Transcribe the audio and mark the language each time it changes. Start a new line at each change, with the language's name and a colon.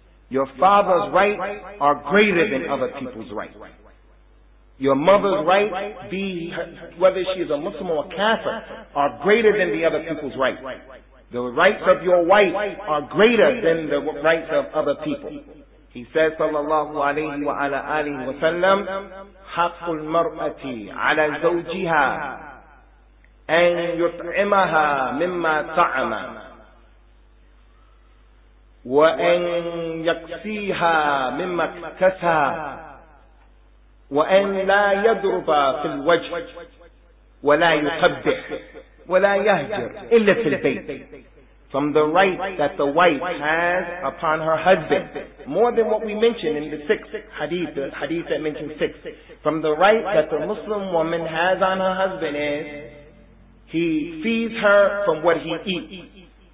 English: Your father's rights are greater than other people's rights. Your mother's rights, be whether she is a Muslim or a Kafir, are greater than the other people's rights. The rights of your wife are greater than the rights of other people. He says,
Arabic: sallallahu alayhi wa ala alihi wa sallam, حَقُّ الْمَرْأَةِ عَلَى زَوْجِهَا أَنْ يُطْعِمَهَا مِمَّا طَعَمَ وَأَنْ يَكْسِيهَا مِمَّا اكْتَسَى وَأَنْ لَا يَضْرُبَ فِي الْوَجْهِ وَلَا يُقَبِّحْ وَلَا يَهْجِرْ إِلَّا فِي الْبَيْتِ.
English: From the right that the wife has upon her husband, more than what we mentioned in the sixth hadith, the hadith that mentioned six. From the right that the Muslim woman has on her husband is, he feeds her from what he eats.